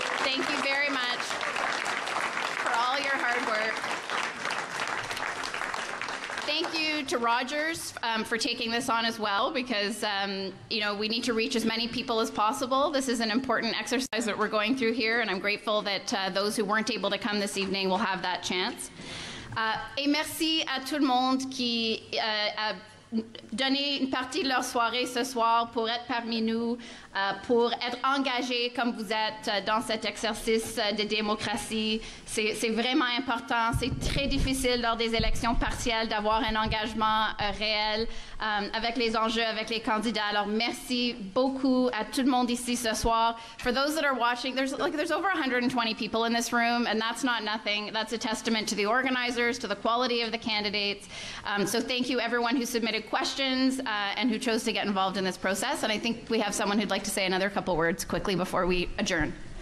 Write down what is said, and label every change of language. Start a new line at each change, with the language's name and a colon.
English: Thank you very much for all your hard work. Thank you to Rogers for taking this on as well, because you know, we need to reach as many people as possible. This is an important exercise that we're going through here, and I'm grateful that those who weren't able to come this evening will have that chance.
French: Et merci à tout le monde qui a donné une partie de leur soirée ce soir pour être parmi nous, pour être engagé comme vous êtes dans cet exercice de démocratie. C'est vraiment important. C'est très difficile lors des élections partielles d'avoir un engagement réel avec les enjeux, avec les candidats. Alors, merci beaucoup à tout le monde ici ce soir.
English: For those that are watching, there's over 120 people in this room, and that's not nothing. That's a testament to the organizers, to the quality of the candidates. So thank you, everyone who submitted questions and who chose to get involved in this process. And I think we have someone who'd like to say another couple words quickly before we adjourn.